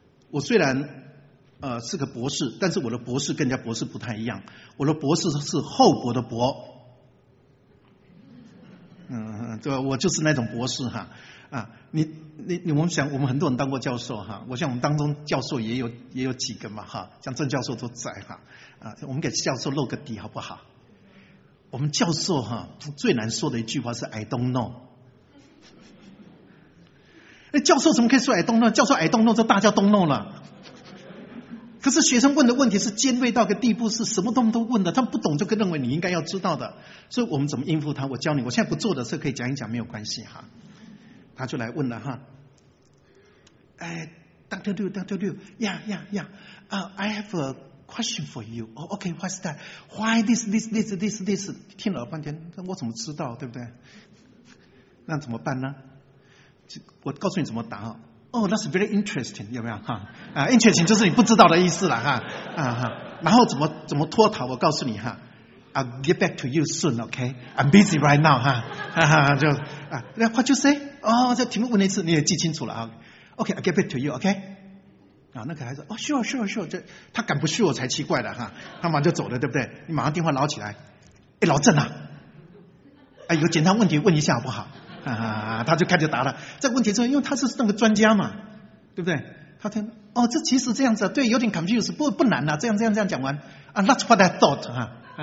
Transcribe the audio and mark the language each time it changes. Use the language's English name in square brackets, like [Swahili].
[Chinese] 我虽然是个博士，但是我的博士跟人家博士不太一样，我的博士是厚薄的薄，对吧？我就是那种博士哈啊，你我们想，我们很多人当过教授哈，我想我们当中教授也有几个嘛哈，像郑教授都在哈啊，我们给教授露个底好不好？我们教授哈最难说的一句话是 [English] I don't know。 [Chinese] 教授怎么可以说 [English] I don't know？ [Chinese] 教授 [English] I don't know， [Chinese] 这大家 [English] don't know [Chinese] 了。可是学生问的问题是尖锐到个地步，是什么东西都问的，他不懂就认为你应该要知道的。所以我们怎么应付他？我教你，我现在不做的事可以讲一讲，没有关系哈。他就来问了哈，哎 [English] ，Doctor Liu，Doctor Liu，Yeah，Yeah，Yeah，I have a question for you. Oh, okay, what's that? Why this? [Chinese] 听了半天，我怎么知道，对不对？那怎么办呢？我告诉你怎么答哦、oh, ， [English] That's very interesting， [Chinese] 有没有哈？啊 ，interesting 就是你不知道的意思了哈，啊哈。然后怎么脱逃？我告诉你哈 [English] ，I'll get back to you soon， OK？ I'm busy right now 哈，哈哈就啊 ，What you say？ 哦、oh, ， [Chinese] 这题目问了一次，你也记清楚了啊 [English] ？OK， I'll get back to you， OK？ [Chinese] 啊，那个孩子哦、，Sure， 这他敢不 sure 才奇怪的哈，他马上就走了，对不对？你马上电话捞起来，哎，老郑啊，哎，有简单问题问一下好不好？他就开始答了。这个问题是因为他是那个专家嘛，对不对？他听，哦，这其实这样子，对，有点 confused， 不难啊，这样这样这样讲完啊 ， [English] That's what I thought [Chinese] 啊。